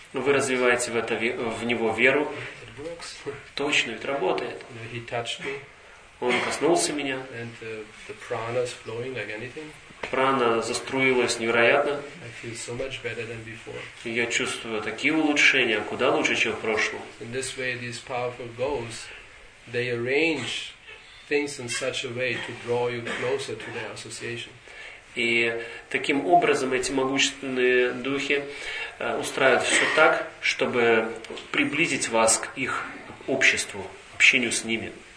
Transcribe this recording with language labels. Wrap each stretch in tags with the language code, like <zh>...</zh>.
<ru>Вы развиваете в это в него веру.</ru> <en>It works.</en> <ru>Точно, это работает.</ru> <en>He touched me.</en> <ru>Он коснулся меня.</ru> <en>And the prana is flowing like anything.</en> <ru>Прана заструилась невероятно.</ru> <en>I feel so much better than before.</en> <ru>И я чувствую такие улучшения, куда лучше, чем в прошлом.</ru> <en>In this way, these powerful ghosts, they arrange things in such a way to draw you closer to their association.</en> <ru>И таким образом эти могущественные духи устраивают все так, чтобы приблизить вас к их обществу, общению с ними.</ru>